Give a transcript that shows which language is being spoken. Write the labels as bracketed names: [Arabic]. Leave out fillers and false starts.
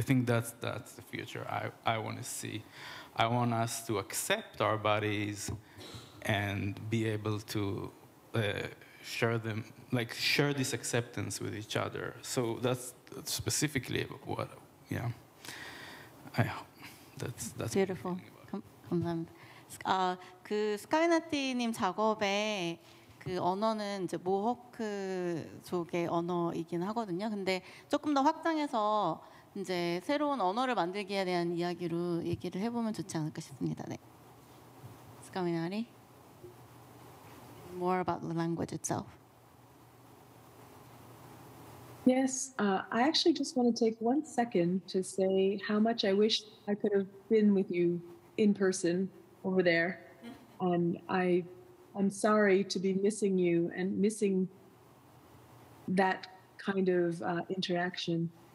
[English] I think that's the future I want to see. I want us to accept our bodies and be able to share them, like share this acceptance with each other. So that's specifically what, that's beautiful. [Korean] 감사합니다. 아, 그 스카이나티님 작업에 그 언어는 이제 모호크족의 언어이긴 하거든요. 근데 조금 더 확장해서 이제 새로운 언어를 만들기에 대한 이야기로 얘기를 해보면 좋지 않을까 싶습니다. 네. 스카미나리. [English] More about the language itself. Yes, I actually just want to take one second to say how much I wish I could have been with you in person. Over there, and I'm sorry to be missing you and missing that kind of interaction.